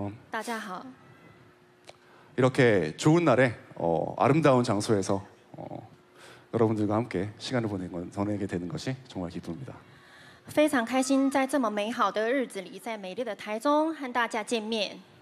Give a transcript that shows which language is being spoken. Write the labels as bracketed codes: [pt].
[zh] 大家好，我是炫。欢迎大家。啊， [ko] 반갑습니다。 [zh] 大家好。이렇게 [ko] 좋은 날에 아름다운 장소에서 여러분들과 함께 시간을 보내는 건 저에게 되는 것이 정말 기쁩니다. [zh] 非常开心在这么美好的日子里，在美丽的台中和大家见面。